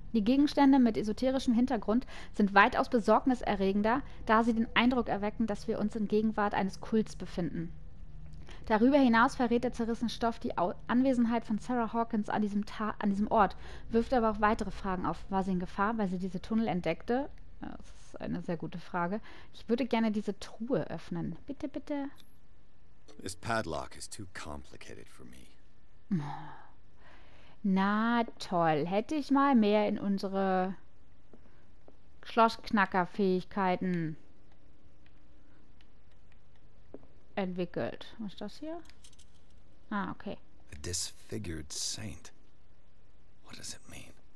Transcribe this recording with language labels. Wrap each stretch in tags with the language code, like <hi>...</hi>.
<de>Die Gegenstände mit esoterischem Hintergrund sind weitaus besorgniserregender, da sie den Eindruck erwecken, dass wir uns in Gegenwart eines Kults befinden. Darüber hinaus verrät der zerrissene Stoff die Anwesenheit von Sarah Hawkins an diesem Ort, wirft aber auch weitere Fragen auf. War sie in Gefahr, weil sie diese Tunnel entdeckte? Das ist eine sehr gute Frage. Ich würde gerne diese Truhe öffnen. Bitte, bitte.</de> <en>This padlock is too complicated for me.</en> <de>Na toll. Hätte ich mal mehr in unsere Schlossknacker-Fähigkeiten entwickelt. Was ist das hier? Ah, okay.</de> <en>A disfigured saint. What does it mean?</en>